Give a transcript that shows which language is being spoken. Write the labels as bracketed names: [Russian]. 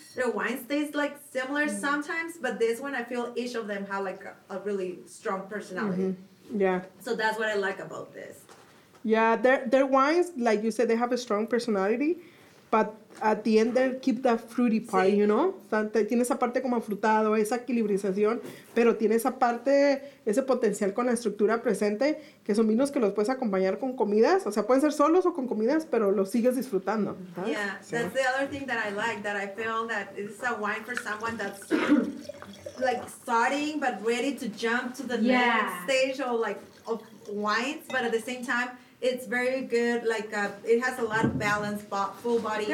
[English] Their wines taste, like, similar sometimes, but this one, I feel each of them have, like, a really strong personality. Mm-hmm. Yeah. So that's what I like about this. Yeah, their wines, like you said, they have a strong personality, but... At the end, they keep that fruity part, [Spanish] sí. [English] You know? [Spanish] Tiene esa parte como afrutado, esa equilibrización, pero tiene esa parte, ese potencial con la estructura presente, que son vinos que los puedes acompañar con comidas. O sea, pueden ser solos o con comidas, pero los sigues disfrutando. [English] Yeah, that's the other thing that I like, that I feel that this is a wine for someone that's, like, starting, but ready to jump to the next stage of wines, but at the same time, it's very good, like, it has a lot of balance, full body.